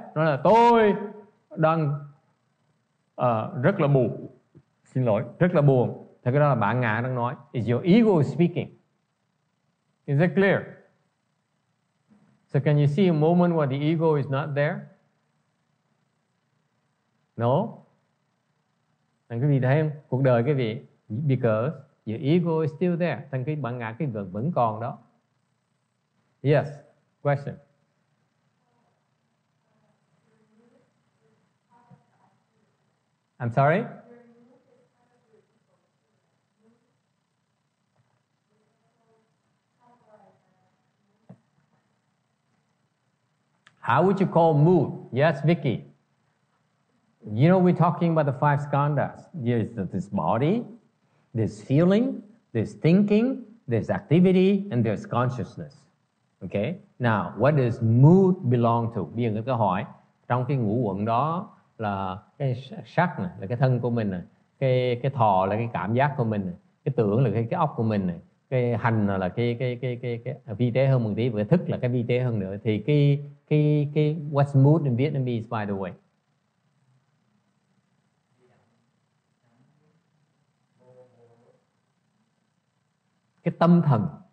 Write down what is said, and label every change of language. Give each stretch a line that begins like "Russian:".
Vietnamese: Nó là tôi đang rất là buồn. Xin lỗi, rất là buồn. Thế cái đó là bản ngã đang nói.
English: Is your ego speaking? Is it clear? So can you see a moment where the ego is not there? No?
Vietnamese: Thằng quý vị thấy không? Cuộc đời quý vị,
English: because your ego is still there.
Vietnamese: Thằng cái bản ngã cái vẫn còn đó.
English: Yes. Question. I'm sorry? How would you call mood? Yes, Vicky. You know, we're talking about the five skandhas. There's this body, there's feeling, there's thinking, there's activity, and there's consciousness. Okay? Now, what does mood belong to?
Vietnamese: Bây giờ người ta hỏi, trong cái ngũ uẩn đó là cái sắc này, là cái thân của mình này, cái thọ là cái cảm giác của mình này, cái tưởng là cái óc của mình này, cái hành là cái vi tế hơn một tí, và cái thức là cái vi tế hơn nữa. Thì cái
English: what's mood in Vietnamese, by the way?
Vietnamese: Cái tâm thần.